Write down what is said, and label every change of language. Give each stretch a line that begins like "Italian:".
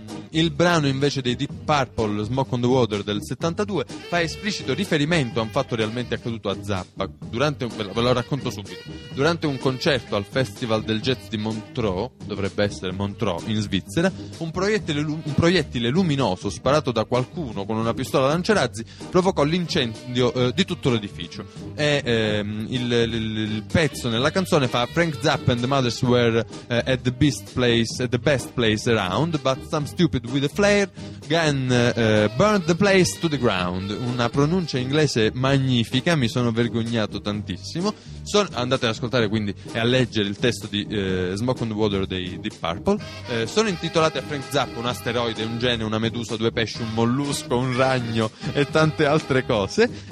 Italian: Il brano invece dei Deep Purple, Smoke on the Water del 72, fa esplicito riferimento a un fatto realmente accaduto a Zappa. Ve lo racconto subito. Durante un concerto al Festival del Jazz di Montreux, dovrebbe essere Montreux in Svizzera, un proiettile luminoso sparato da qualcuno con una pistola a lanciarazzi provocò l'incendio di tutto l'edificio. Il pezzo nella canzone fa:
English: Frank Zappa and the Mothers were at the best place around, but some stupid with a flare gun burned the place to the ground.
Italian: Una pronuncia inglese magnifica, mi sono vergognato tantissimo. Andate ad ascoltare quindi e a leggere il testo di Smoke on the Water dei Deep Purple. Sono intitolate a Frank Zappa un asteroide, un gene, una medusa, due pesci, un mollusco, un ragno e tante altre cose.